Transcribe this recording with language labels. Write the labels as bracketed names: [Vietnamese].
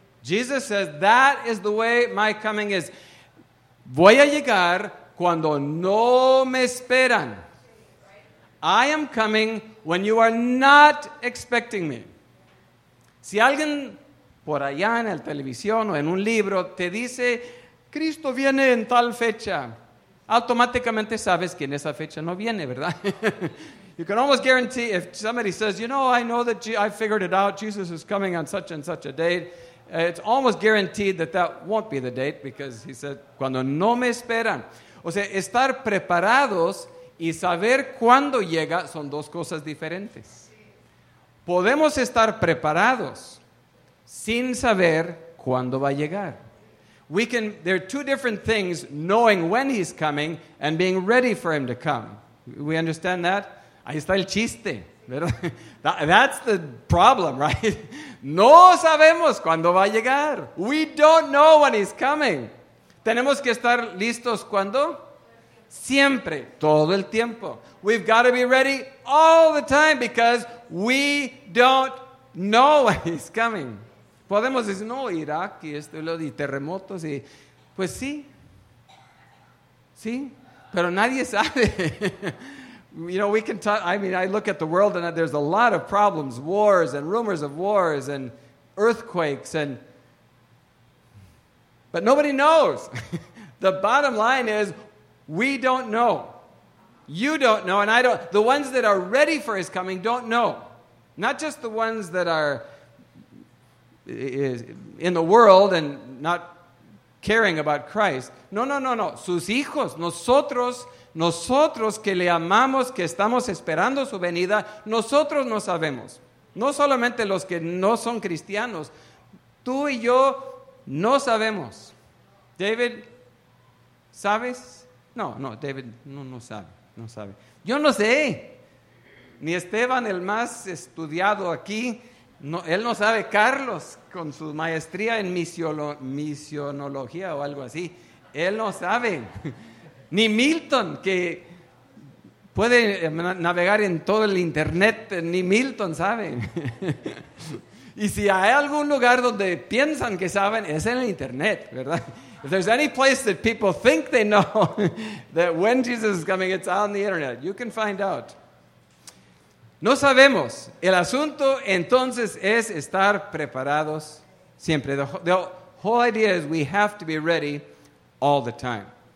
[English] Jesus says, that is the way my coming is. [Spanish] Voy a llegar cuando no me esperan. [English] I am coming when you are not expecting me. [Spanish] Si alguien por allá en la televisión o en un libro te dice, Cristo viene en tal fecha, automáticamente sabes que en esa fecha no viene, ¿verdad? [English] You can almost guarantee if somebody says, you know, I know that I figured it out, Jesus is coming on such and such a date, it's almost guaranteed that that won't be the date because he said, [Spanish] cuando no me esperan. O sea, estar preparados y saber cuándo llega son dos cosas diferentes. Podemos estar preparados sin saber cuándo va a llegar. [English] There are two different things, knowing when he's coming and being ready for him to come. We understand that? [Spanish] Ahí está el chiste, ¿verdad? [English] That's the problem, right? [Spanish] No sabemos cuándo va a llegar. [English] We don't know when he's coming. [Spanish] Tenemos que estar listos cuando? Siempre, todo el tiempo. We've got to be ready all the time because we don't know when he's coming. Podemos decir, no, Irak y esto y lo de terremotos y... Pues sí. Sí, pero nadie sabe. [English] You know, we can talk, I mean, I look at the world and there's a lot of problems, wars and rumors of wars and earthquakes and, but nobody knows. The bottom line is, we don't know. You don't know and I don't, the ones that are ready for his coming don't know. Not just the ones that are in the world and not caring about Christ. No. [Spanish] Sus hijos, nosotros que le amamos, que estamos esperando su venida, nosotros no sabemos. No solamente los que no son cristianos. Tú y yo no sabemos. David, ¿sabes? No, David no sabe. Yo no sé. Ni Esteban, el más estudiado aquí, no, él no sabe. Carlos, con su maestría en misionología o algo así, él no sabe. Ni Milton, que puede navegar en todo el internet, ni Milton sabe. Y si hay algún lugar donde piensan que saben, es en el internet, ¿verdad? [English] If there's any place that people think they know that when Jesus is coming, it's on the internet. You can find out. [Spanish] No sabemos. El asunto, entonces, es estar preparados siempre. [English] The whole idea is we have to be ready all the time.